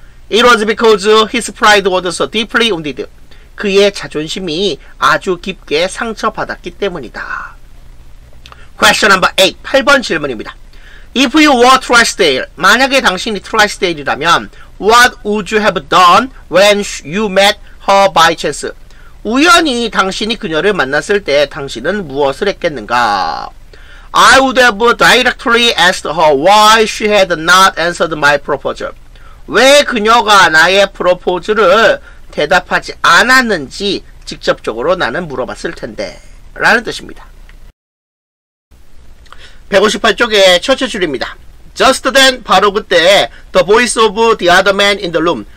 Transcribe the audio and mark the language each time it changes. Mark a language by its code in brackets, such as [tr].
[en] It was because his pride was so deeply wounded. [ko] 그의 자존심이 아주 깊게 상처받았기 때문이다. [en] Question number 8, [ko] 8번 질문입니다. [en] If you were Trisdale, [ko] 만약에 당신이 Trisdale이라면 [en] What would you have done when you met her by chance? [ko] 우연히 당신이 그녀를 만났을 때 당신은 무엇을 했겠는가? [en] I would have directly asked her why she had not answered my proposal. [ko] 왜 그녀가 나의 프로포즈를 대답하지 않았는지 직접적으로 나는 물어봤을 텐데 라는 뜻입니다. 158쪽에 첫째 줄입니다. [en] Just then, [ko] 바로 그때 [en] The voice of the other man in the room.